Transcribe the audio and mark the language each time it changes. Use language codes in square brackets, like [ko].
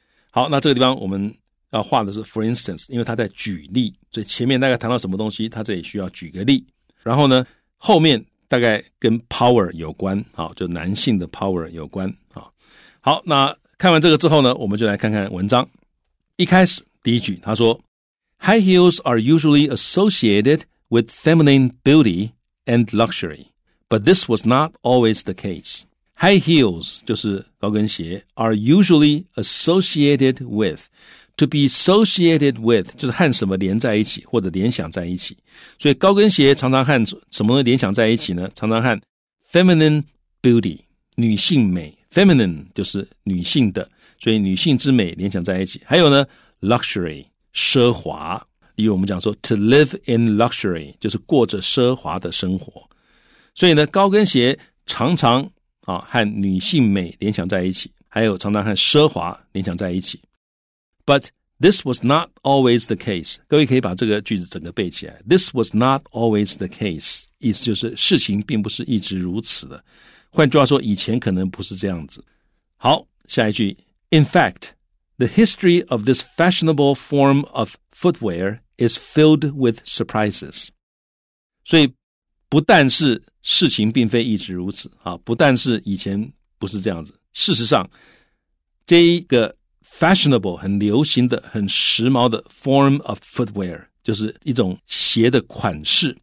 [zh] 好，那这个地方我们要画的是 [en] for instance, [zh] 因为他在举例，所以前面大概谈到什么东西他这里需要举个例。然后呢后面大概跟 power 有关，好，就男性的 power 有关。好，那看完这个之后呢，我们就来看看文章。一开始第一句他说 [en] High heels are usually associated with feminine beauty and luxury, but this was not always the case. High heels [zh] 就是高跟鞋 [en] are usually associated with, to be associated with [zh] 就是和什么连在一起或者联想在一起。所以高跟鞋常常和什么联想在一起呢，常常和 [en] feminine beauty [zh] 女性美，Feminine 就是女性的，所以女性之美联想在一起。还有呢 ,luxury, 奢华。例如我们讲说 , [en] to live in luxury, [zh] 就是过着奢华的生活。所以呢高跟鞋常常、啊、和女性美联想在一起，还有常常和奢华联想在一起。 [en] But this was not always the case. [zh] 各位可以把这个句子整个背起来。 [en] This was not always the case. [zh] 意思就是事情并不是一直如此的。换句话说，以前可能不是这样子。好，下一句。 [en] In fact, the history of this fashionable form of footwear is filled with surprises. [zh] 所以不但是事情并非一直如此，不但是以前不是这样子。事实上，这一个 fashionable, 很流行的，很时髦的 [en] form of footwear, [zh] 就是一种鞋的款式。